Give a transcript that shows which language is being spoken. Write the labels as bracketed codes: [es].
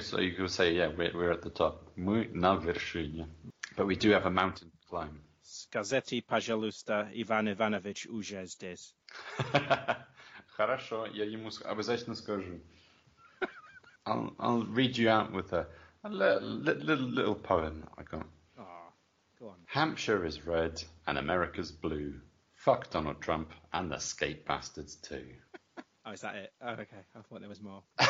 [en] So you could say, yeah, we're at the top. [ru] Мы на вершине. [en] But we do have a mountain to climb. [ru] Скажите, пожалуйста, Иван Иванович уже здесь. Хорошо, я ему обязательно скажу. [en] I'll read you out with a little poem I got. Oh, go on. Hampshire is red and America's blue. Fuck Donald Trump and the skate bastards too. Oh, is that it? Oh, okay, I thought there was more.